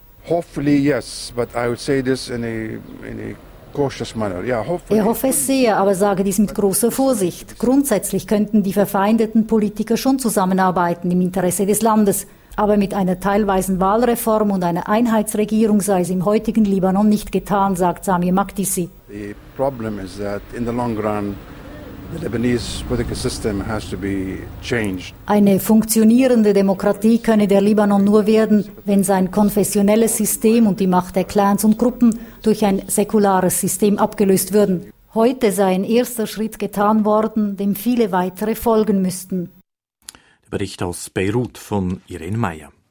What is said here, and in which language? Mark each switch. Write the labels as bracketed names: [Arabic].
[German] Hoffentlich ja, aber ich würde sagen, das in eine Er hoffe es sehr, aber sage dies mit großer Vorsicht. Grundsätzlich könnten die verfeindeten Politiker schon zusammenarbeiten im Interesse des Landes. aber mit einer teilweisen Wahlreform und einer Einheitsregierung sei es im heutigen Libanon nicht getan, sagt Sami Makdisi. [English] The problem is that in the long run the Lebanese political system has to be changed. [German] Eine funktionierende Demokratie könne der Libanon nur werden, wenn sein konfessionelles System und die Macht der Clans und Gruppen durch ein säkulares System abgelöst würden. Heute sei ein erster Schritt getan worden, dem viele weitere folgen müssten. Der Bericht aus Beirut von Irene Meyer.